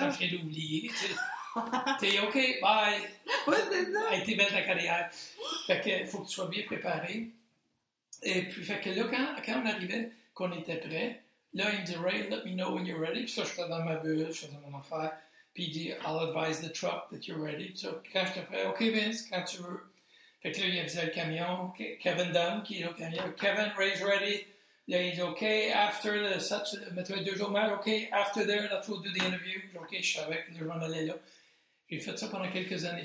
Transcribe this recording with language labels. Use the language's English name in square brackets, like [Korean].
[French] à l'oublier. T'es OK, bye. Oui, c'est ça. Et t'es belle ta carrière. Fait que faut que tu sois bien préparé. Et puis, fait que là, quand on arrivait, qu'on était prêt, là, il me dit, Ray, let me know when you're ready. Puis ça, je suis dans ma bulle, je faisais mon affaire. Puis il dit, I'll advise the truck that you're ready. Puis ça, quand j'étais prêt, OK, Vince, quand tu veux. Fait que là, il me disait le camion, Kevin Dunn, qui est au camion. [English] Kevin, Ray's ready. Là, il dit, OK, after the such, mettons 2 jours, OK, after there, that we'll do the interview. [French] OK, je savais que j'en allais là. J'ai fait ça pendant quelques années.